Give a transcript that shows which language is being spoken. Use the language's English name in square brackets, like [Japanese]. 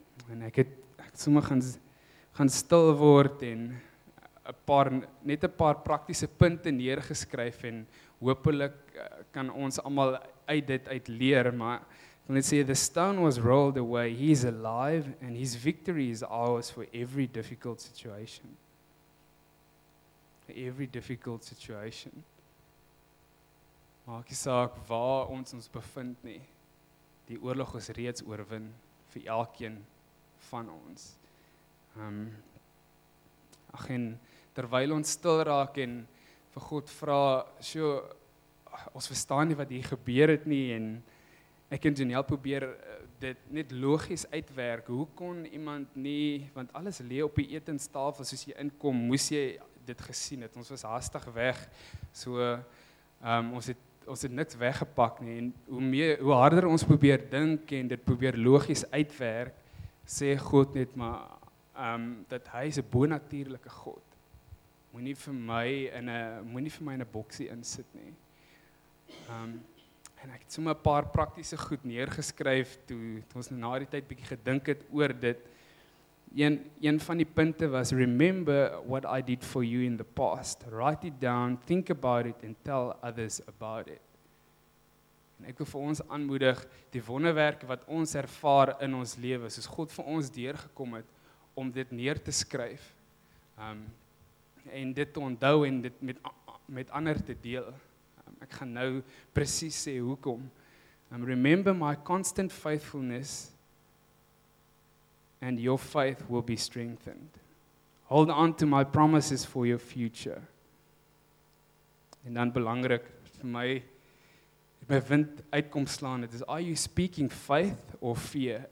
[Afrikaans] En ek sommer gaan stil word en net 'n paar praktiese punte neergeskryf, en hopelik kan ons allemaal uit dit uit leer, maar [English] And let's see, the stone was rolled away. He is alive, and his victory is ours for every difficult situation. Every difficult situation. [Afrikaans] Maak nie saak waar ons ons bevind nie. Die oorlog is reeds oorwin vir elkeen van ons. En terwyl ons stil raak en vir God vra, so, ons verstaan nie wat hier gebeur het nie, en ek en Janelle probeer dit net logies uitwerk, hoe kon iemand nie, want alles lê op die etenstafel, soos jy inkom, moes jy dit gesien het, ons was haastig weg, so, ons het niks weggepak nie, en hoe harder ons probeer dink en dit probeer logies uitwerk, sê God net maar, dat hy is 'n bonatuurlike God. Moenie vir my in 'n boksie insit nie. En ek het sommer 'n paar praktiese goed neergeskryf toe ons na die tyd bietjie gedink het oor dit. Een van die punte was, [English] remember what I did for you in the past. Write it down, think about it and tell others about it. [Afrikaans] En ek wil vir ons aanmoedig, die wonderwerke wat ons ervaar in ons lewe, soos God vir ons deurgekom het, om dit neer te skryf, en dit te onthou en dit met ander te deel. Ek gaan nou presies sê hoekom. [English] Remember my constant faithfulness and your faith will be strengthened. Hold on to my promises for your future. [Afrikaans] En dan belangrik vir my, my wind uitkom slaan, het is, [English] are you speaking faith or fear?